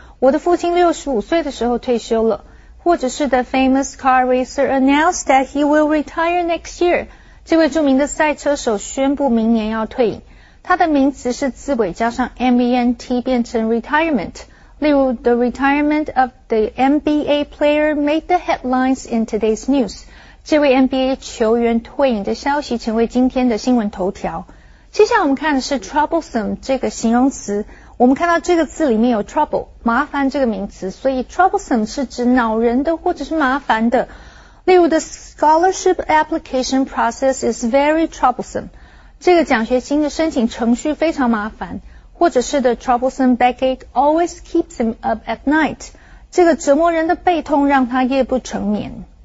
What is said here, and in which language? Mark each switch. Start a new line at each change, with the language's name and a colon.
Chinese: 我的父亲65岁的时候退休了。或者是
English: The famous car racer announced that he will retire next year.
Chinese: 这位著名的赛车手宣布明年要退隐。他的名词是字尾加上 MENT 变成 retirement。例如
English: The retirement of the NBA player made the headlines in today's news.
Chinese: 这位 NBA 球员退隐的消息成为今天的新闻头条。接下来我们看的是 troublesome 这个形容词。我们看到这个字里面有 trouble, 麻烦这个名词。所以 troublesome 是指恼人的或者是麻烦的。例如
English: The scholarship application process is very troublesome.
Chinese: 这个奖学金的申请程序非常麻烦。或者是
English: The troublesome backache always keeps him up at night.
Chinese: 这个折磨人的背痛让他夜不成眠。